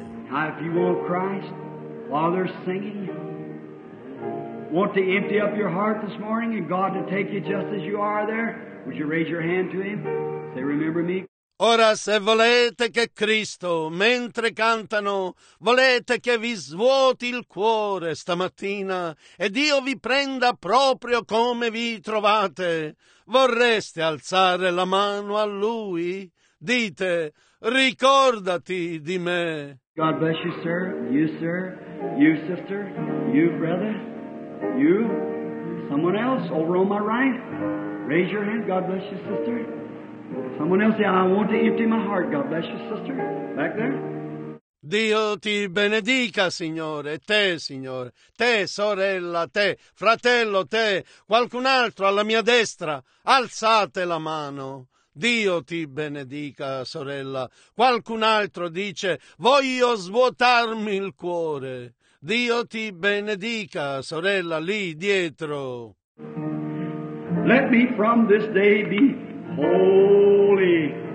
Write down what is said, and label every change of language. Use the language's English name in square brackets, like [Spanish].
[English] Now, if you want Christ while they're singing, want to empty up your heart this morning and God to take you just as you are there, would you raise your hand to Him? Say, remember me. [Italian] Ora, se volete che Cristo, mentre cantano, volete che vi svuoti il cuore stamattina e Dio vi prenda proprio come vi trovate, vorreste alzare la mano a Lui? Dite, ricordati di me. [English] God bless you, sir. You, sir. You, sister. You, brother. You. Someone else over on my right. Raise your hand. God bless you, sister. Someone else say, I want to empty my heart. God bless you, sister. Back there. [Italian] Dio ti benedica, Signore. Te, Signore. Te, sorella. Te, fratello. Te, qualcun altro alla mia destra. Alzate la mano. Dio ti benedica, sorella. Qualcun altro dice, voglio svuotarmi il cuore. Dio ti benedica, sorella, lì dietro. [English] Let me from this day be holy.